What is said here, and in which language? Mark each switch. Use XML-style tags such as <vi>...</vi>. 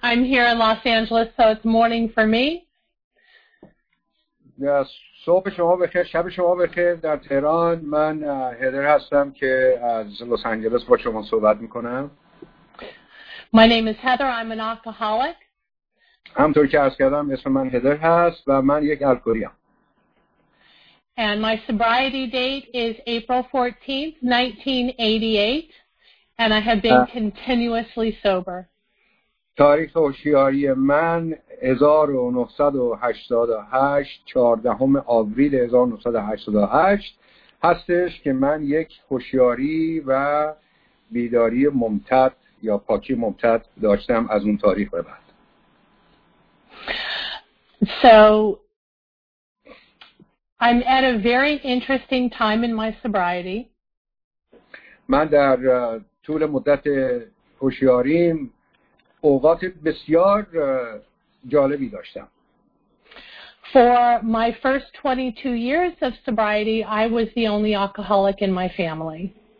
<en>I'm here in Los Angeles, so it's morning for me.</en> <fa>Yes, صبح شما بخیر، شب شما بخیر در تهران. من هدر هستم که از لس آنجلس با شما صحبت میکنم.</fa> <en>My name is Heather. I'm an alcoholic.</en> <fa>همطور که عرض کردم اسم من هدر هست و من یک الکلیم.</fa> <en>And my sobriety date is April 14th, 1988, and I have been continuously sober.</en> <fa>تاریخ هوشیاری من 1988، 14 آوریل 1988 هستش که من یک هوشیاری و بیداری ممتد یا پاکی ممتد داشتم از اون تاریخ به بعد.</fa> <en>So I'm at a very interesting time in my sobriety.</en> <fa>من در طول مدت هوشیاریم اوقات بسیار جالبی داشتم.</fa> <en>For my first 22 years of sobriety, I was the only alcoholic in my family.</en>